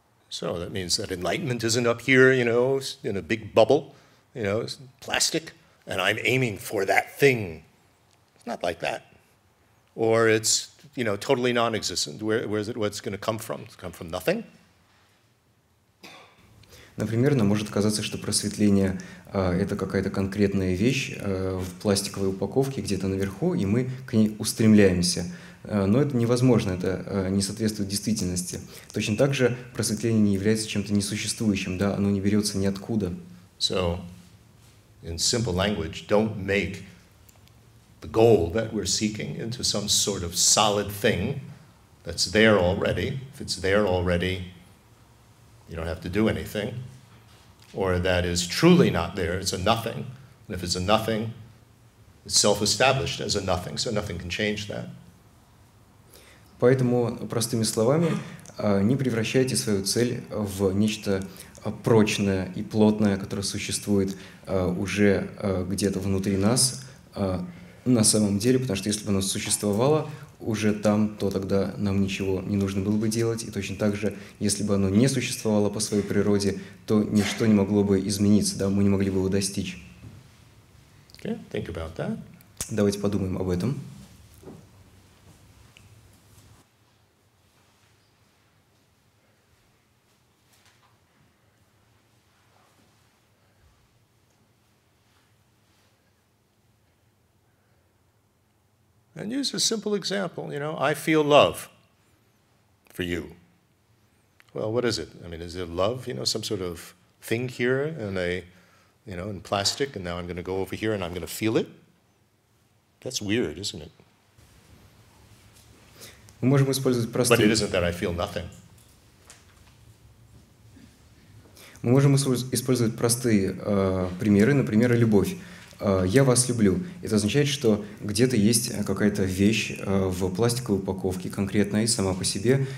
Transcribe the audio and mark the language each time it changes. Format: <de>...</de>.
<en>So that means that enlightenment isn't up here, you know, in a big bubble, you know, plastic, and I'm aiming for that thing. It's not like that. Or it's, you know, totally non-existent. Where is it, what's going to come from? It's come from nothing.</en> <ru>Например, нам может казаться, что просветление это какая-то конкретная вещь в пластиковой упаковке где-то наверху, и мы к ней устремляемся. Но это невозможно, это не соответствует действительности. Точно так же просветление не является чем-то несуществующим, да, оно не берется ниоткуда.</ru> <en>So, in simple language, don't make the goal that we're seeking into some sort of solid thing that's there already. If it's there already, you don't have to do anything. Or that is truly not there, it's a nothing. And if it's a nothing, it's self-established as a nothing, so nothing can change that.</en> <ru>Поэтому, простыми словами, не превращайте свою цель в нечто прочное и плотное, которое существует уже где-то внутри нас на самом деле, потому что если бы оно существовало уже там, то тогда нам ничего не нужно было бы делать. И точно так же, если бы оно не существовало по своей природе, то ничто не могло бы измениться, да, мы не могли бы его достичь.</ru> <en>Okay, think about that.</en> <ru>Давайте подумаем об этом.</ru> <en>And use a simple example, you know, I feel love for you. Well, what is it? I mean, is it love, you know, some sort of thing here in a, you know, in plastic, and now I'm going to go over here and I'm going to feel it? That's weird, isn't it?</en> <ru>Мы можем использовать простой...</ru> <en>But it isn't that I feel nothing.</en> <ru>Мы можем использовать простые примеры, например, любовь. Я вас люблю. Это означает, что где-то есть какая-то вещь в пластиковой упаковке, конкретная и сама по себе.</ru>